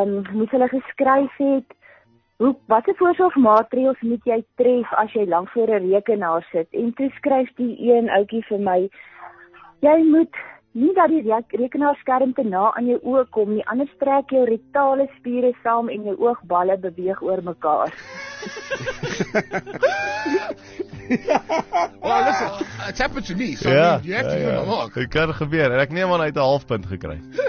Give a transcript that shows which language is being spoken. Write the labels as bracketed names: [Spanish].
[Afrikaans] Moes hulle geskryf hê, watter voorsorgmaatreëls moet jy tref as jy lank voor 'n rekenaar sit? En toe skryf die een ouetjie vir my, jy moet nie dat die rekenaarskerm te na aan jou oë kom nie, anders trek jou retale spiere saam en jou oogballe beweeg oor mekaar. [English] Well, listen, it's happened to me, so yeah, I mean, you have to give him a mark. [Afrikaans] Dit kan gebeur, en ek neem aan hy het 'n halfpunt gekry.